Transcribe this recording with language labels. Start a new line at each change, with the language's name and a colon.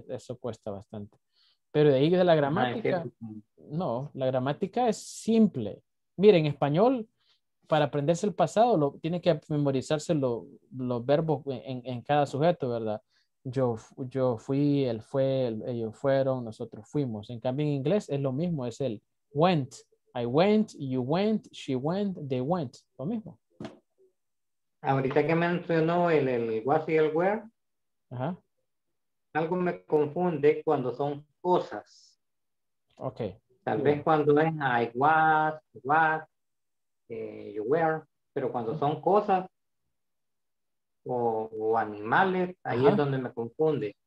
Spanish: Eso cuesta bastante. Pero de ahí de la gramática, no, la gramática es simple. Miren, en español, para aprenderse el pasado, tiene que memorizarse los verbos en cada sujeto, ¿verdad? Yo fui, él fue, ellos fueron, nosotros fuimos. En cambio, en inglés es lo mismo, es el went.
English: I went, you went, she went, they went.
Spanish: Lo mismo. Ahorita que mencionó el was y el were, ajá, algo me confunde cuando son cosas. Ok. Tal vez cuando es
English: I was, what, you were,
Spanish: pero cuando son cosas o animales, ahí, ajá, es donde me confunde.